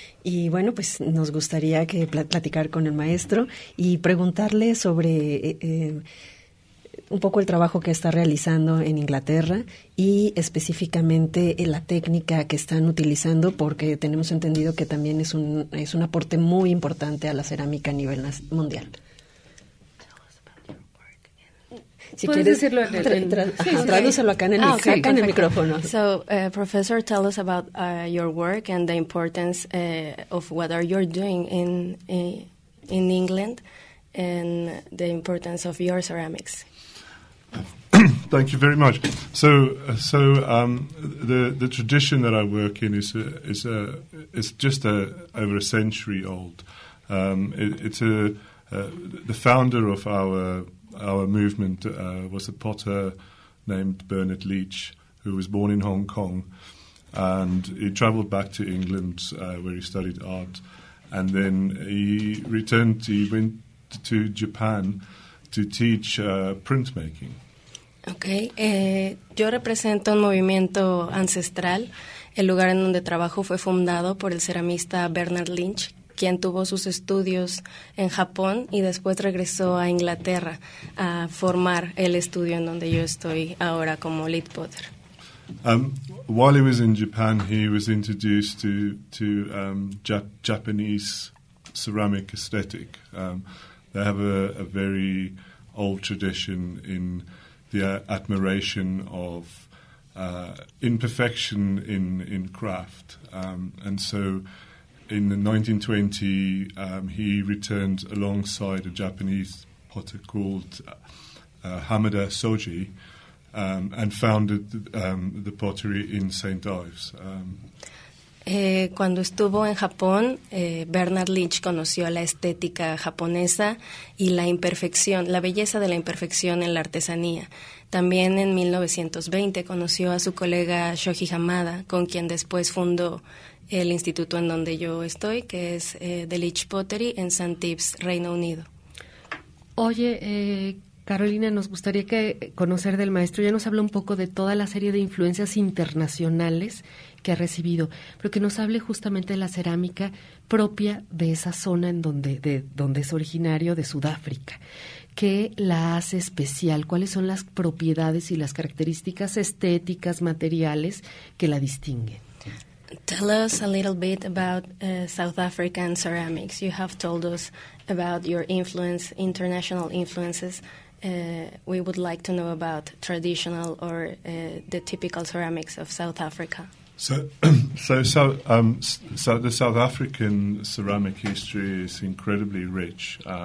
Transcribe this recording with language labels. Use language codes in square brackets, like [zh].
[es] Y bueno, pues nos gustaría que platicar con el maestro y preguntarle sobre un poco el trabajo que está realizando en Inglaterra y específicamente la técnica que están utilizando, porque tenemos entendido que también es un aporte muy importante a la cerámica a nivel mundial. [en] So, professor, tell us about your work and the importance of what are you doing in England and the importance of your ceramics. Thank you very much. So the tradition that I work in is just over a century old. The founder of our movement was a potter named Bernard Leach, who was born in Hong Kong, and he travelled back to England where he studied art, and then he went to Japan to teach printmaking. [es] Okay, yo represento un movimiento ancestral. El lugar en donde trabajo fue fundado por el ceramista Bernard Leach, quien tuvo sus estudios en Japón y después regresó a Inglaterra a formar el estudio en donde yo estoy ahora como Lead Potter. [en] While he was in Japan, he was introduced to Japanese ceramic aesthetic. They have a very old tradition in the admiration of imperfection in craft. And so in the 1920, he returned alongside a Japanese potter called Hamada Soji and founded the pottery in St. Ives. [es] Cuando estuvo en Japón, Bernard Leach conoció la estética japonesa y la imperfección, la belleza de la imperfección en la artesanía. También en 1920 conoció a su colega Shoji Hamada, con quien después fundó el instituto en donde yo estoy, que es The Leach Pottery en St. Ives, Reino Unido. Oye, Carolina, nos gustaría conocer del maestro. Ya nos habló un poco de toda la serie de influencias internacionales que ha recibido, pero que nos hable justamente de la cerámica propia de esa zona en donde es originario, de Sudáfrica. ¿Qué la hace especial? ¿Cuáles son las propiedades y las características estéticas, materiales que la distinguen? [en] Tell us a little bit about South African ceramics. You have told us about your influence, international influences. We would like to know about traditional or the typical ceramics of South Africa. So the South African ceramic history is incredibly rich.